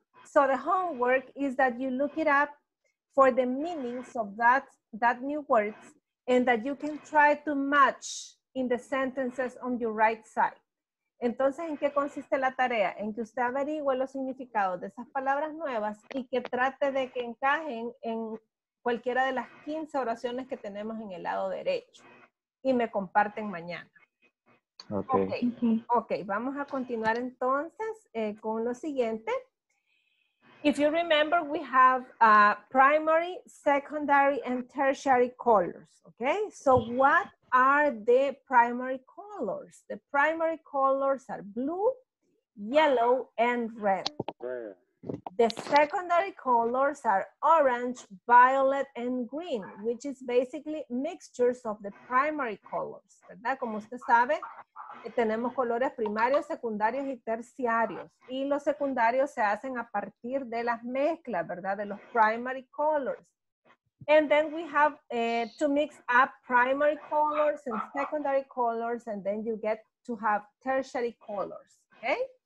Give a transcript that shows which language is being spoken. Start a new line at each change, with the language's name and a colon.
English: So the homework is that you look it up for the meanings of that new words, and that you can try to match in the sentences on your right side.
Spanish: Entonces, ¿en qué consiste la tarea? En que usted averigüe los significados de esas palabras nuevas y que trate de que encajen en cualquiera de las 15 oraciones que tenemos en el lado derecho. Y me comparten mañana.
English: Okay,
Spanish: vamos a continuar entonces con lo siguiente.
English: If you remember, we have primary, secondary, and tertiary colors, okay? So what are the primary colors? The primary colors are blue, yellow, and red. The secondary colors are orange, violet, and green, which is basically mixtures of the primary colors, ¿verdad?
Spanish: Como usted sabe, tenemos colores primarios, secundarios y terciarios. Y los secundarios se hacen a partir de las mezclas, ¿verdad? De los primary colors.
English: And then we have to mix up primary colors and secondary colors, and then you get to have tertiary colors, ¿okay?